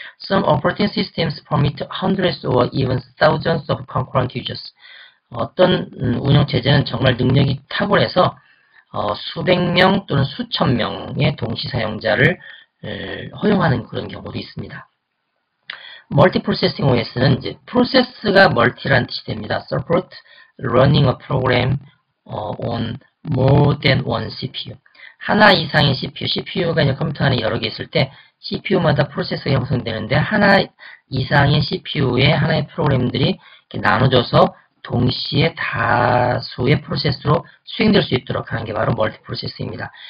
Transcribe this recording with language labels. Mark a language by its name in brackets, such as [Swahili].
[English] Some operating systems permit hundreds or even thousands of concurrent users. [Korean] 어떤 운영체제는 정말 능력이 탁월해서 수백 명 또는 수천 명의 동시 사용자를 허용하는 그런 경우도 있습니다. Multiprocessing OS는 이제 프로세스가 멀티라는 뜻이 됩니다. [English] Support running a program on more than one CPU. [Korean] 하나 이상의 CPU가 이제 컴퓨터 안에 여러 개 있을 때 CPU마다 프로세스가 형성되는데 하나 이상의 CPU에 하나의 프로그램들이 이렇게 나눠져서 동시에 다수의 프로세스로 수행될 수 있도록 하는 게 바로 멀티 프로세스입니다.